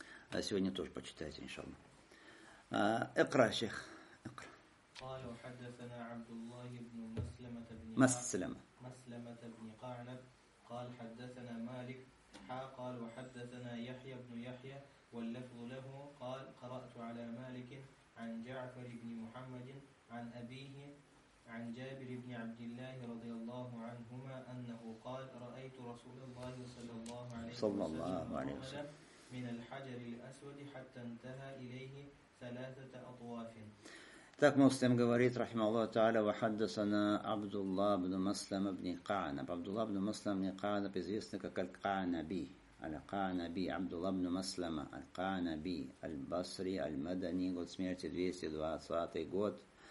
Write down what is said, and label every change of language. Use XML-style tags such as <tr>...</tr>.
<ru>А сегодня тоже почитайте, иншаллах. Икра, шейх. Икра. Калу хаддасана Абдуллах ибн Масламата ибн Масламата. Масламата ибн Карнаб. Кал хаддасана Малик. Ха кал хаддасана Яхья ибн Яхья.</ru> <ar>واللفظ له قال قرأت على مالك عن جعفر بن محمد عن أبيه عن جابر بن عبد الله رضي الله عنهما أنه قال رأيت رسول الله صلى الله عليه وسلم من الحجر الأسود حتى انتهى إليه ثلاثة أطواف.</ar> <ru>Так Муслим говорит, рахималлаху та'аля, вахаддасана Абдулла ибн Маслам ибн Ка'наб. Абдулла ибн Маслам ибн Ка'наб известный как Аль-Ка'наби. Аль-Ка'наби, Абдулла ибн Маслама, Аль-Ка'наби, Аль-Басри, Аль-Мадани, год смерти, 220 год.</ru>